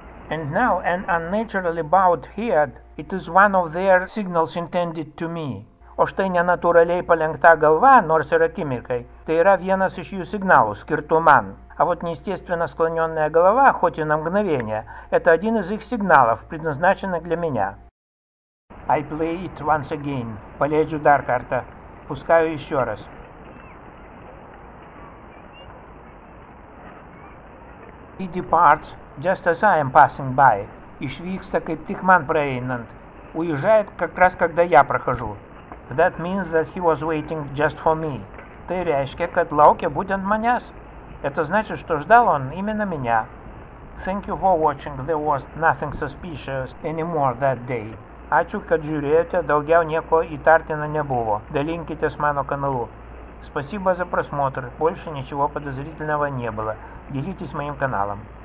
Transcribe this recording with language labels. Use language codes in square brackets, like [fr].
[en] And now an unnaturally bowed head, it is one of their signals intended to me. [lt] O štai nenatūraliai palenkta galva, nors ir akimirkai, tai yra vienas iš jų signalų, skirtų man. [ru] А вот неестественно склоненная голова, хоть и на мгновение, это один из их сигналов, предназначенных для меня. [en] I play it once again. Поледжу дар карта. [ru] Пускаю еще раз. [en] He departs, just as I am passing by. [lt] Išvyksta kaip tik man praeinant. [ru] Уезжает как раз когда я прохожу. [en] That means that he was waiting just for me. [lt] Tai reiškia, kad laukia būtent manęs. [ru] Это значит, что ждал он именно меня. [en] Thank you for watching. There was nothing suspicious anymore that day. [lt] Ačiū, kad žiūrėjote. Daugiau nieko įtartino nebuvo. Dalinkitės mano kanalu. [ru] Спасибо за просмотр. Больше ничего подозрительного не было. Делитесь моим каналом.